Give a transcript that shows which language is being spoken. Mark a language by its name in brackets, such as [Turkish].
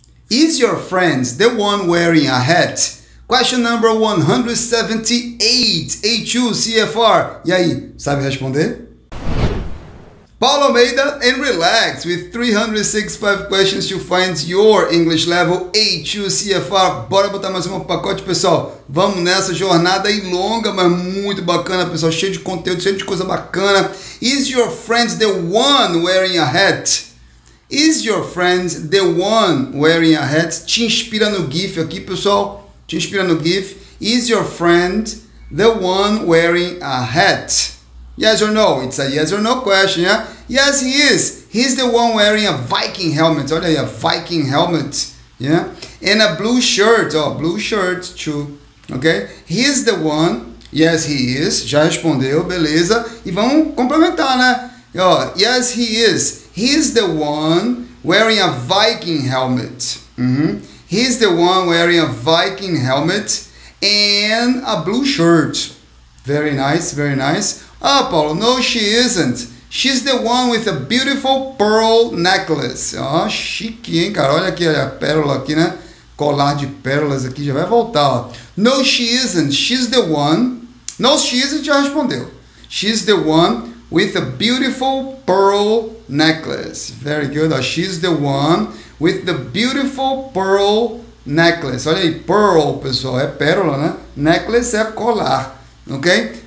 [English] Is your friend the one wearing a hat? Question number 178, H-U-C-F-R. E aí, sabe responder? Paulo Almeida, and relax with 365 questions to find your English level H-U-C-F-R. [Portuguese] Bora botar mais um pacote, pessoal. Vamos nessa jornada aí longa, mas muito bacana, pessoal. Cheio de conteúdo, cheio de coisa bacana. [English] Is your friend the one wearing a hat? Is your friend the one wearing a hat? [Portuguese] Te inspira no GIF aqui, pessoal. Te inspira no GIF. [English] Is your friend the one wearing a hat? Yes or no? It's a yes or no question, yeah? Yes, he is. He's the one wearing a Viking helmet. [Portuguese] Olha aí, [English] a Viking helmet, yeah? And a blue shirt. Oh, blue shirt, too. Okay? He's the one. Yes, he is. [Portuguese] Já respondeu, beleza. E vamos complementar, né? [English] Oh, yes, he is. He's the one wearing a Viking helmet. Mm-hmm. He's the one wearing a Viking helmet and a blue shirt. Very nice, very nice. Ah, Paulo, no, she isn't. She's the one with a beautiful pearl necklace. [Portuguese] Ah, chique, hein, cara? Olha aqui a pérola aqui, né? Colar de pérolas aqui, já vai voltar, ó. [English] No, she isn't. She's the one. No, she isn't, [Portuguese] já respondeu. [English] She's the one with a beautiful pearl necklace. Very good. Ah, she's the one with the beautiful pearl necklace. [Portuguese] Olha aí, pearl, pessoal. É pérola, né? Necklace é colar. Ok?